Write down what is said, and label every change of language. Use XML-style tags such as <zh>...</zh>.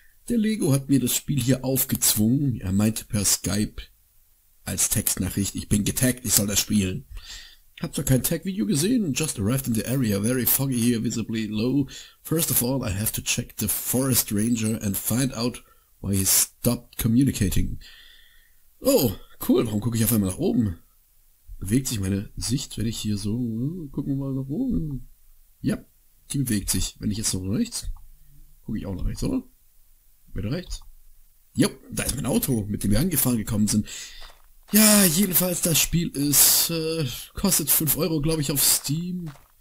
<de>Der Lego hat mir das Spiel hier aufgezwungen. Er meinte per Skype als Textnachricht, ich bin getaggt, ich soll das spielen. Hab zwar kein Tag-Video gesehen,</de> <en>just arrived in the area, very foggy here, visibly low. First of all, I have to check the forest ranger and find out why he stopped communicating.</en> <de>Oh, cool, warum gucke ich auf einmal nach oben? Bewegt sich meine Sicht, wenn ich hier so, gucken wir mal nach oben. Ja. Die bewegt sich. Wenn ich jetzt so rechts, gucke ich auch nach rechts, oder? Wieder rechts. Jo, da ist mein Auto, mit dem wir angefahren gekommen sind. Ja, jedenfalls, das Spiel ist, kostet 5 Euro, glaube ich, auf Steam.</de>